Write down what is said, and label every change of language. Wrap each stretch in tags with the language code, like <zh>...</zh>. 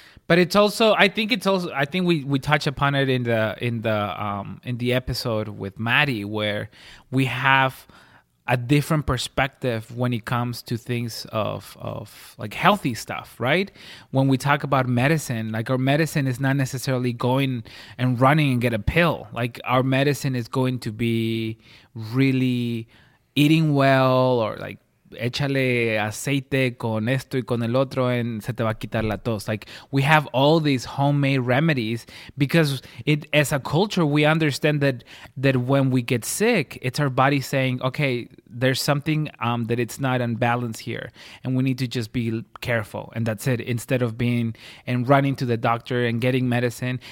<en>But it's also, I think we touch upon it in the episode with Maddie where we have a different perspective when it comes to things of like healthy stuff, right? When we talk about medicine, like our medicine is not necessarily going and running and get a pill. Like our medicine is going to be really eating well or like</en> <es>échale aceite con esto y con el otro and se te va a quitar la tos.</es> <en>Like, we have all these homemade remedies because it, as a culture, we understand that when we get sick, it's our body saying, okay, there's something that it's not in balance here and we need to just be careful. And that's it. Instead of being and running to the doctor and getting medicine.</en>